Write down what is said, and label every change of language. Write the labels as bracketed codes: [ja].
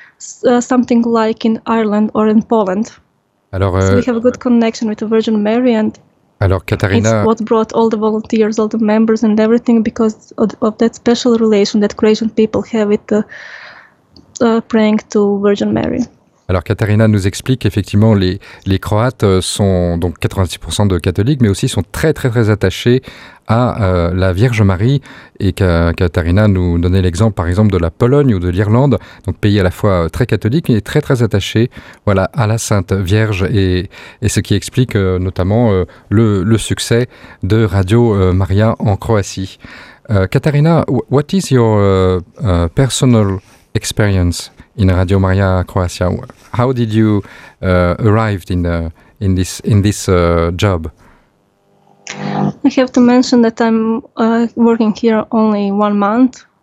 [en] Something like in Ireland or in Poland. [fr] Alors, [en] so we have a good connection with the Virgin Mary and. [fr] Alors, Katarina, [en] it's what brought all the volunteers, all the members and everything because of that special relation that Croatian people have with the praying to Virgin Mary. [fr] Alors, Katarina nous explique qu'effectivement, les Croates sont donc 86% de catholiques, mais aussi sont très, très, très attachés à la Vierge Marie. Et Katarina nous donnait l'exemple, par exemple, de la Pologne ou de l'Irlande, donc pays à la fois très catholique, mais très, très attaché voilà, à la Sainte Vierge. Et ce qui explique notamment le succès de Radio Maria en Croatie. [en] Katarina, what is your personal experience in Radio Maria Croatia? How did you arrived in this job? I have to mention that I'm working here only 1 month.